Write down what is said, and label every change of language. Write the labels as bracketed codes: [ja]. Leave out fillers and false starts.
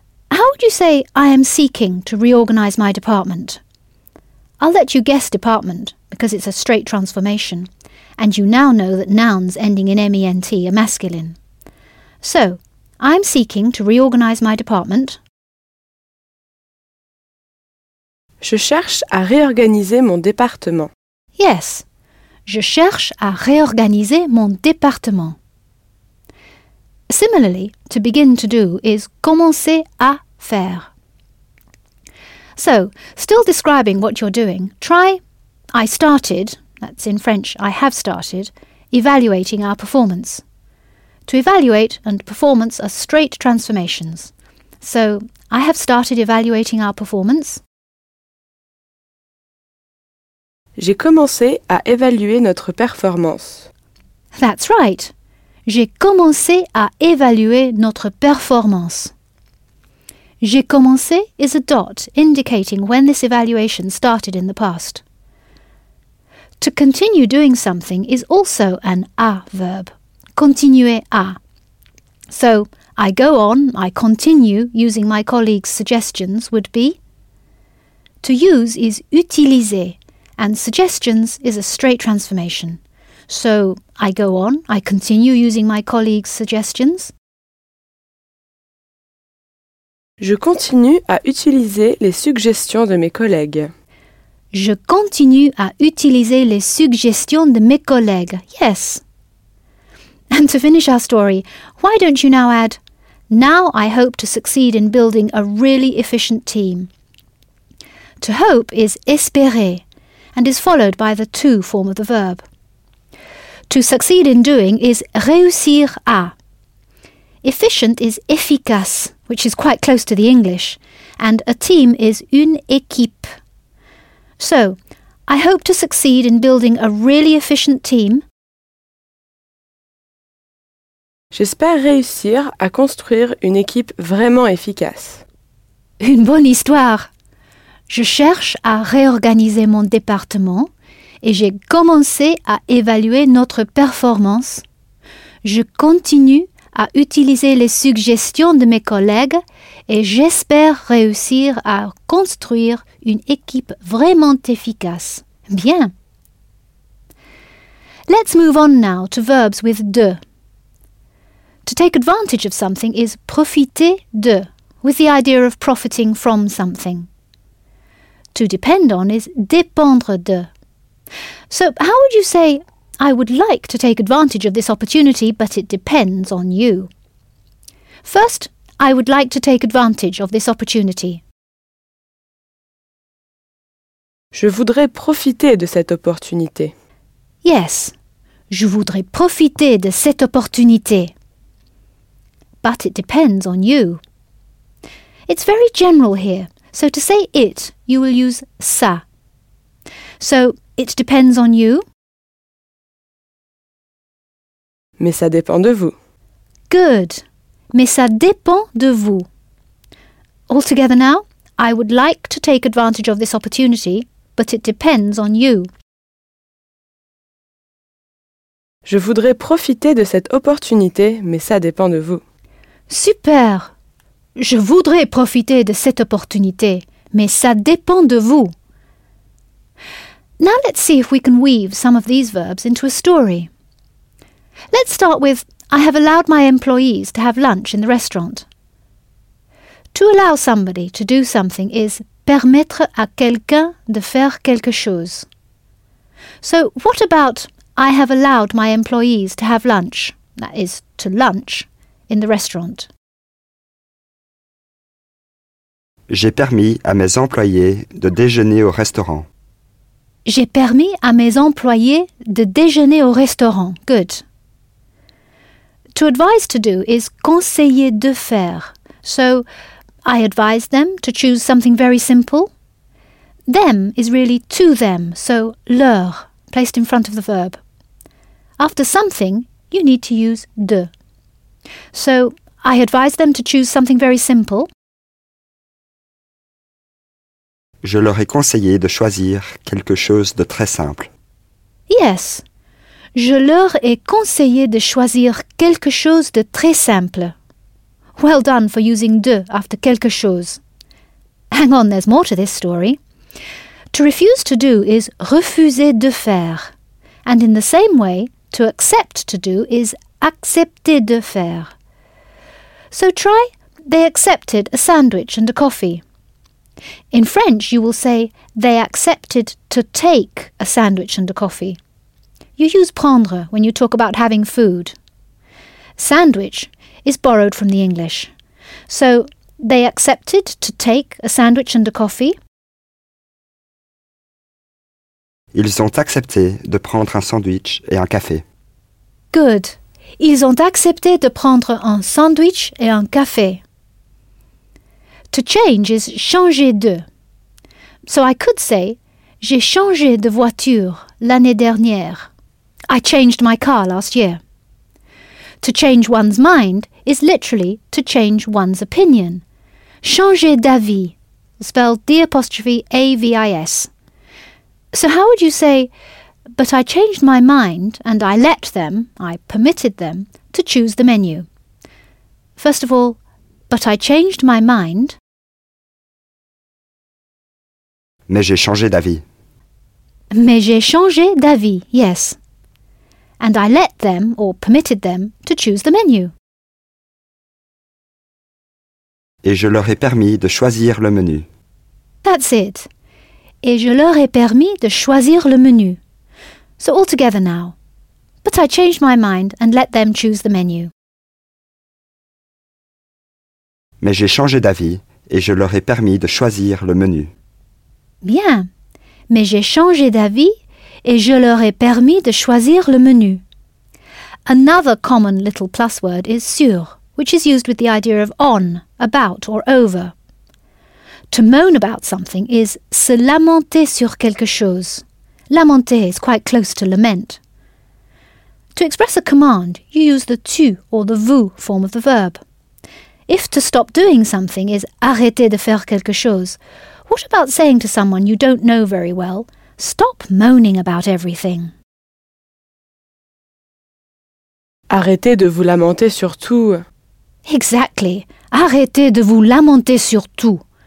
[en] How would you say, I am seeking to reorganise my department? I'll let you guess department, because it's a straight transformation, and you now know that nouns ending in M-E-N-T are masculine. So, I'm seeking to reorganise my department. [fr] Je cherche à réorganiser mon département. [en] Yes, [fr] je cherche à réorganiser mon département. [en] Similarly, to begin to do is commencer à faire. So, still describing what you're doing, try I started, that's in French, I have started, evaluating our performance. To evaluate and performance are straight transformations. So, I have started evaluating our performance. [fr] J'ai commencé à évaluer notre performance. [en] That's right. [fr] J'ai commencé à évaluer notre performance. J'ai commencé [en] is a dot indicating when this evaluation started in the past. To continue doing something is also an à verb. [fr] Continuer à. [en] So, I go on, I continue using my colleague's suggestions would be. To use is utiliser, and suggestions is a straight transformation. So, I go on, I continue using my colleague's suggestions. [fr] Je continue à utiliser les suggestions de mes collègues. Je continue à utiliser les suggestions de mes collègues. [en] Yes. And to finish our story, why don't you now add, now I hope to succeed in building a really efficient team. To hope is espérer and is followed by the to form of the verb. To succeed in doing is [fr] réussir à. [en] Efficient is efficace, which is quite close to the English, and a team is [fr] une équipe. [en] So, I hope to succeed in building a really efficient team. [fr] J'espère réussir à construire une équipe vraiment efficace. Une bonne histoire. Je cherche à réorganiser mon département et j'ai commencé à évaluer notre performance. Je continue à utiliser les suggestions de mes collègues et j'espère réussir à construire une équipe vraiment efficace. Bien. [en] Let's move on now to verbs with de. To take advantage of something is [fr] profiter de, [en] with the idea of profiting from something. To depend on is [fr] dépendre de. [en] So how would you say, I would like to take advantage of this opportunity, but it depends on you? First, I would like to take advantage of this opportunity. [fr] Je voudrais profiter de cette opportunité. Yes, je voudrais profiter de cette opportunité. [en] But it depends on you. It's very general here, so to say it, you will use ça. So, it depends on you. [fr] Mais ça dépend de vous. [en] Good. [fr] Mais ça dépend de vous. [en] All together now, I would like to take advantage of this opportunity, but it depends on you. [fr] Je voudrais profiter de cette opportunité, mais ça dépend de vous. Super! Je voudrais profiter de cette opportunité, mais ça dépend de vous. [en] Now let's see if we can weave some of these verbs into a story. Let's start with, I have allowed my employees to have lunch in the restaurant. To allow somebody to do something is [fr] permettre à quelqu'un de faire quelque chose. [en] So what about, I have allowed my employees to have lunch, that is, to lunch, in the restaurant? [fr] J'ai permis à mes employés de déjeuner au restaurant. J'ai permis à mes employés de déjeuner au restaurant. [en] Good. To advise to do is [fr] conseiller de faire. [en] So, I advise them to choose something very simple. Them is really to them, so leur, placed in front of the verb. After something, you need to use de. So, I advise them to choose something very simple. [fr] Je leur ai conseillé de choisir quelque chose de très simple. [en] Yes. [fr] Je leur ai conseillé de choisir quelque chose de très simple. [en] Well done for using de after [fr] quelque chose. [en] Hang on, there's more to this story. To refuse to do is [fr] refuser de faire. [en] And in the same way, to accept to do is [fr] accepter de faire. [en] So try, they accepted a sandwich and a coffee. In French, you will say, they accepted to take a sandwich and a coffee. You use prendre when you talk about having food. Sandwich is borrowed from the English. So, they accepted to take a sandwich and a coffee. [fr] Ils ont accepté de prendre un sandwich et un café. [en] Good. [fr] Ils ont accepté de prendre un sandwich et un café. [en] To change is [fr] changer de. [en] So I could say, [fr] j'ai changé de voiture l'année dernière. [en] I changed my car last year. To change one's mind is literally to change one's opinion. [fr] Changer d'avis, [en] spelled D'AVIS. So how would you say, but I changed my mind and I let them, I permitted them, to choose the menu. First of all, but I changed my mind. [fr] Mais j'ai changé d'avis. Mais j'ai changé d'avis, [en] yes. And I let them, or permitted them, to choose the menu. [fr] Et je leur ai permis de choisir le menu. [en] That's it. [fr] Et je leur ai permis de choisir le menu. [en] So all together now. But I changed my mind and let them choose the menu. [fr] Mais j'ai changé d'avis et je leur ai permis de choisir le menu. Bien. Mais j'ai changé d'avis et je leur ai permis de choisir le menu. [en] Another common little plus word is sur, which is used with the idea of on, about or over. To moan about something is [fr] se lamenter sur quelque chose. [en] Lamenter is quite close to lament. To express a command, you use the tu or the vous form of the verb. If to stop doing something is [fr] arrêter de faire quelque chose, [en] what about saying to someone you don't know very well, stop moaning about everything? [fr] Arrêtez de vous lamenter sur tout. [en] Exactly. [fr] Arrêtez de vous lamenter sur tout.